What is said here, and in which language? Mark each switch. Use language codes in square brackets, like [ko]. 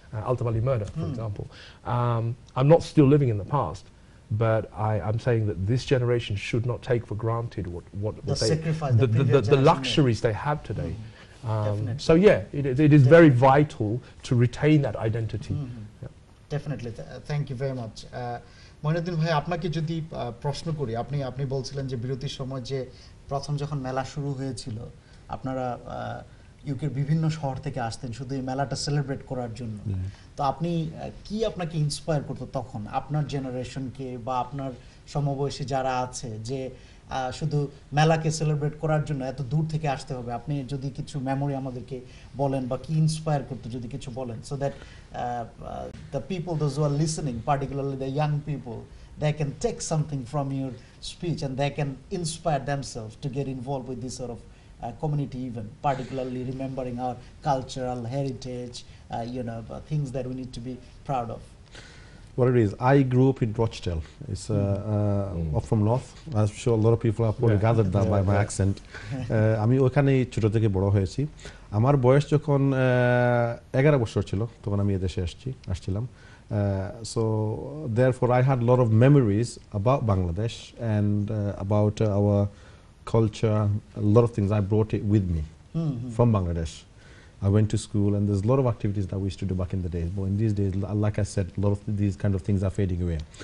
[en] Ultimately murder, for example. I'm not still living in the past, but I'm saying that this generation should not take for granted the luxuries they have today. So yeah, it is very vital to retain that identity. Definitely, thank you very much. [bn] Moinuddin ভাই, আপনাকে যদি প্রশ্ন করি, আপনি আপনি বলছিলেন যে বিরতির সময় যে প্রথম যখন মেলা শুরু হয়েছিল আপনারা ইউকের বিভিন্ন শহর থেকে আসতেন শুধু এই মেলাটা সেলিব্রেট করার জন্য, তো আপনি কি আপনাকে ইন্সপায়ার করতো তখন আপনার জেনারেশনকে বা আপনার সমবয়সী যারা আছে যে শুধু মেলাকে সেলিব্রেট করার জন্য এত দূর থেকে আসতে হবে? আপনি যদি কিছু মেমোরি আমাদেরকে বলেন বা কি ইন্সপায়ার করতো যদি কিছু বলেন, [en] So that the people those who are listening, particularly the young people, they can take something from your speech and they can inspire themselves to get involve with this sort of community event, particularly remembering our cultural heritage, you know, things that we need to be proud of. What it is, I grew up in Rochdale. It's up from north. I'm sure a lot of people have probably gathered that by my accent. [bn] আমি ওখানেই ছোট থেকে বড় হয়েছি। আমার বয়স যখন 11 বছর ছিল তখন আমি এদেশে আসছিলাম। [en] So therefore I had a lot of memories about Bangladesh and about our culture, a lot of things I brought it with me from Bangladesh. I went to school and there's a lot of activities that we used to do back in the days. But in these days, like I said, a lot of these kind of things are fading away.